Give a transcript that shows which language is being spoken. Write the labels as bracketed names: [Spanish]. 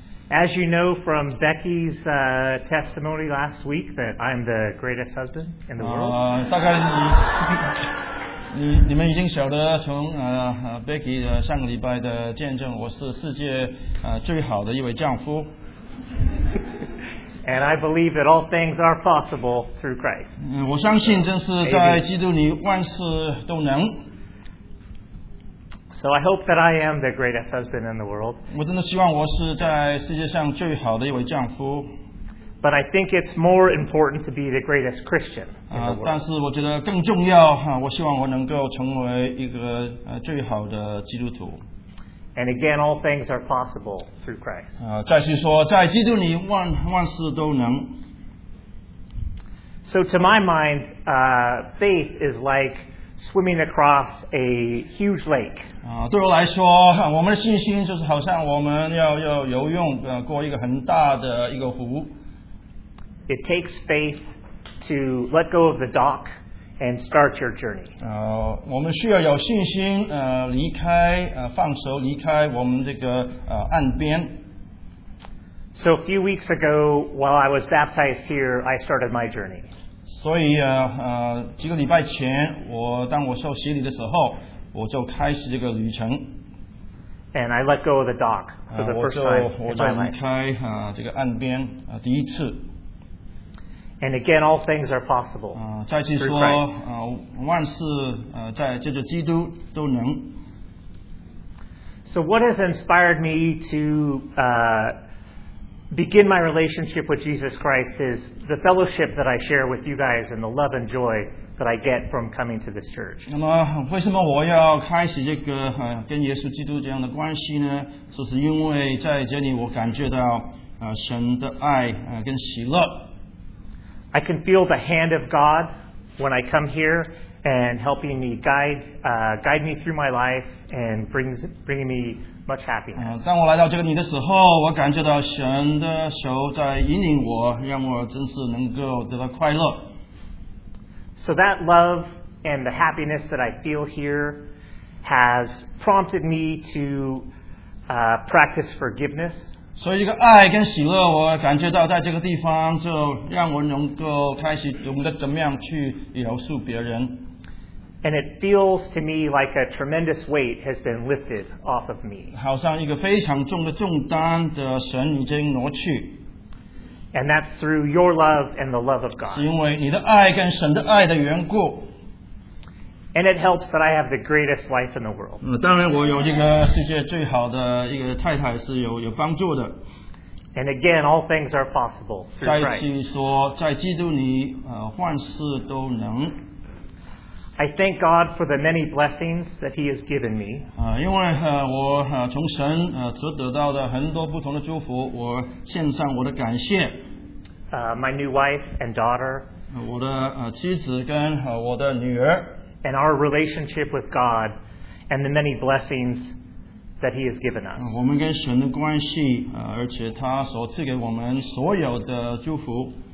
[English] As you know from Becky's testimony last week, that I'm the greatest husband in the world. [Chinese] 大概你你们已经晓得从Becky 上个礼拜的见证，我是世界最好的一位丈夫。 [English] And I believe that all things are possible through Christ. [Chinese] 我相信真是在基督里万事都能。 [English] So I hope that I am the greatest husband in the world. [Chinese] 我真的希望我是在世界上最好的一位丈夫。 [English] But I think it's more important to be the greatest Christian in the world. [Chinese] 但是我觉得更重要，我希望我能够成为一个最好的基督徒。 [English] And again, all things are possible through Christ. [Chinese] 再次说，在基督里万事都能。 [English] So to my mind, faith is like swimming across a huge lake. [Chinese] 对我来说，我们的信心就是好像我们要游泳，过一个很大的一个湖。 [English] It takes faith to let go of the dock and start your journey. [Chinese] 我们需要有信心，离开，放手离开我们这个岸边。 [English] So a few weeks ago, while I was baptized here, I started my journey. [Chinese] 所以几个礼拜前，当我受洗礼的时候，我就开始这个旅程。 [English] And I let go of the dock for the first time in my life. [Chinese] 我就离开这个岸边第一次。 [English] And again, all things are possible. [Chinese] 再次说，万事在借着基督都能。 [English] So what has inspired me to begin my relationship with Jesus Christ is the fellowship that I share with you guys and the love and joy that I get from coming to this church. [Chinese] 那么为什么我要开始这个跟耶稣基督这样的关系呢？就是因为在这里我感觉到神的爱跟喜乐。 [English] I can feel the hand of God when I come here and helping me guide me through my life and bringing me much happiness. [Chinese] 当我来到这个你的时候，我感觉到神的手在引领我，让我真是能够得到快乐。 [English] So that love and the happiness that I feel here has prompted me to practice forgiveness. [Chinese] 所以这个爱跟喜乐，我感觉到在这个地方，就让我能够开始懂得怎么样去饶恕别人。 [English] And it feels to me like a tremendous weight has been lifted off of me. [Chinese] 好像一个非常重的重担的神已经挪去。 [English] And that's through your love and the love of God. [Chinese] 是因为你的爱跟神的爱的缘故。 [English] And it helps that I have the greatest wife in the world. [Chinese] 当然我有一个世界最好的一个太太是有帮助的。 [English] And again, all things are possible through Christ. [Chinese] 再次说，在基督里，万事都能。 [English] I thank God for the many blessings that He has given me. [Chinese] 因为我从神所得到的很多不同的祝福，我献上我的感谢。 [English] My new wife and daughter. [Chinese] 我的妻子跟我的女儿。 [English] And our relationship with God and the many blessings that He has given us. [Chinese] 我们跟神的关系，而且他所赐给我们所有的祝福。